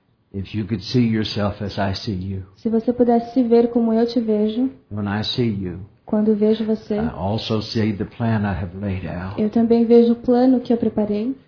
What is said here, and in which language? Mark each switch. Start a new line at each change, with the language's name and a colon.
English: If you could see yourself as I see you.
Portuguese: Se você pudesse se ver como eu te vejo.
English: When I see you.
Portuguese: Quando vejo você.
English: I also see the plan I have laid out.
Portuguese: Eu também vejo o plano que eu preparei.